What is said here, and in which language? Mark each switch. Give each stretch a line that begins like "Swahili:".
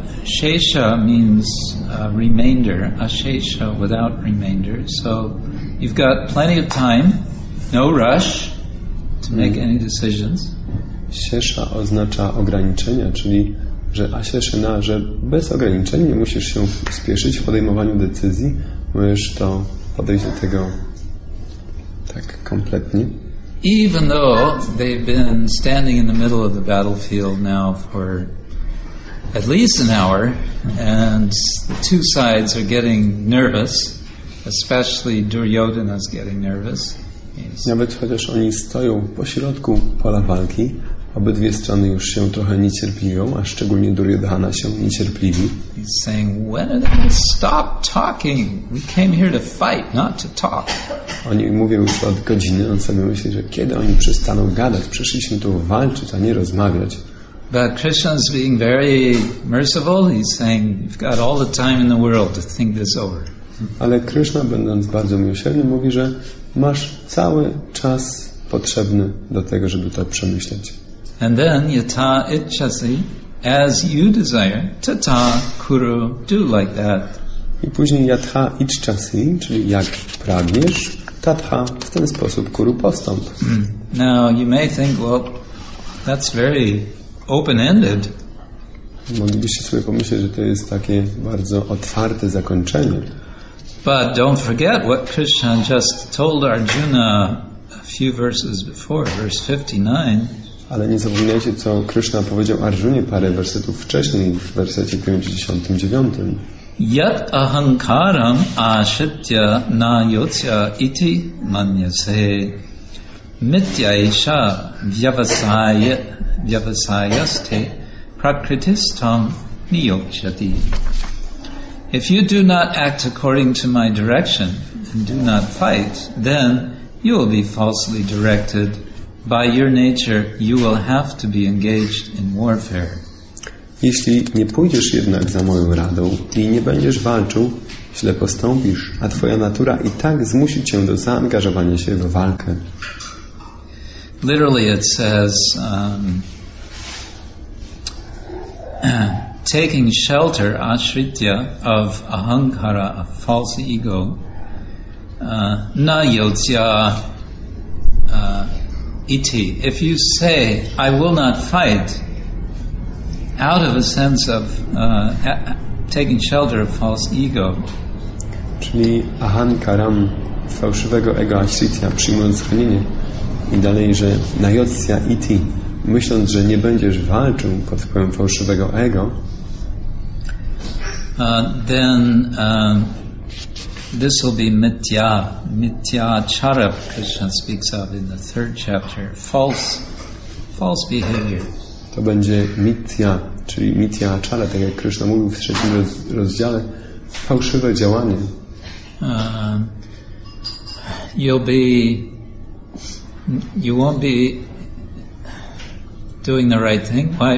English: Shesha means remainder. Ashesha, without remainder. So you've got plenty of time, no rush to make any decisions.
Polish: Shesha oznacza ograniczenia, czyli że asheshena, że bez ograniczeń nie musisz się spieszyć w podejmowaniu decyzji, możesz to podejść do tego tak kompletnie.
English: Even though they've been standing in the middle of the battlefield now for at least an hour and the two sides are getting nervous. Especially Duryodhana is getting nervous.
Polish: Nawet chociaż oni stoją po środku pola walki, obydwie strony już się trochę niecierpliwią, a szczególnie Duryodhana się niecierpliwi.
English: He's saying, "When are they going to stop talking? We came here to fight, not to talk."
Polish: Oni mówią już od godziny, on sobie myśli, że kiedy oni przestaną gadać, przyszliśmy tu walczyć, a nie rozmawiać.
English: But Krishna's being very merciful. He's saying, "You've got all the time in the world to think this over."
Polish: Ale Krishna, będąc bardzo miłosierny, mówi, że masz cały czas potrzebny do tego, żeby to przemyśleć.
English: And then
Sanskrit: yata ichchasi,
English: as you desire,
Sanskrit: tata kuru,
English: do like that.
Polish: I później
Sanskrit: yata ichchasi,
Polish: czyli jak pragniesz, tata, w ten sposób kuru, postąp.
English: Now you may think, well, that's very open-ended.
Polish: Moglibyście sobie pomyśleć, że to jest takie bardzo otwarte zakończenie.
English: But don't forget what Krishna just told Arjuna a few verses before, verse 59.
Polish: Ale nie zapomnijcie, co Krishna powiedział Arjunie parę wersetów wcześniej, w wersecie 59.
Sanskrit: Yat ahankaram ashitya na yotya iti manyase mityaisha vyavasayaste prakritistam niyokshati.
English: If you do not act according to my direction and do not fight, then you will be falsely directed. By your nature, you will have to be engaged in warfare.
Polish: Jeśli nie pójdziesz jednak za moją radą i nie będziesz walczył, źle postąpisz, a twoja natura i tak zmusi cię do zaangażowania się w walkę.
English: Literally it says taking shelter, ashritya, of ahankara, a false ego, na yotya iti. If you say, I will not fight, out of a sense of taking shelter of false ego.
Polish: Czyli ahankaram, fałszywego ego, asitya, przyjmując schronienie. I dalej, że najocja iti, myśląc, że nie będziesz walczył pod wpływem fałszywego ego,
English: then this will be mitya, mitya chara, Krishna speaks of in the third chapter, false behavior.
Polish: To będzie mitya, czyli mitya chara, tak jak Krishna mówił w trzecim rozdziale, fałszywe działanie.
English: You won't be doing the right thing. Why?